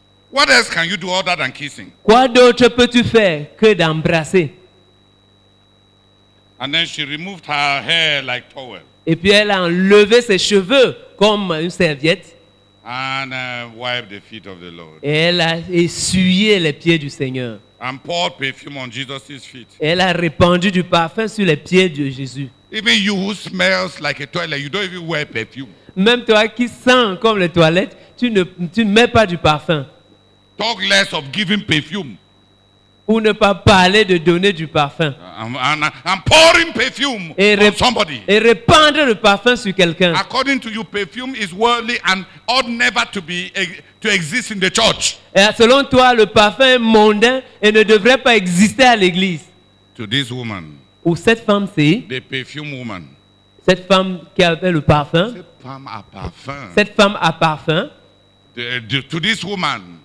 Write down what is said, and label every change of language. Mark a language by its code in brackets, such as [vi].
[en] What else can you do other than kissing? [fr] Quoi d'autre peux-tu faire que d'embrasser? [en] And then she removed her hair like towel. [fr] Et puis elle a enlevé ses cheveux comme une serviette. [en] And wiped the feet of the Lord. [fr] Et elle a essuyé les pieds du Seigneur. [en] And poured perfume on Jesus's feet. [fr] Et elle a répandu du parfum sur les pieds de Jésus. [en] Even you who smells like a toilet, you don't even wear perfume. [fr] Même toi qui sens comme les toilettes, tu ne mets pas du parfum. [en] Talk less of giving perfume. [fr] Ou ne pas parler de donner du parfum. [en] I'm pouring perfume on somebody. [fr] Et répandre le parfum sur quelqu'un. [en] According to you, perfume is worldly and ought never to exist in the church. [fr] Et selon toi, le parfum est mondain et ne devrait pas exister à l'église. [en] To this woman. [fr] Ou cette femme, cette femme qui avait le parfum. Cette femme a parfum. [en] To this woman.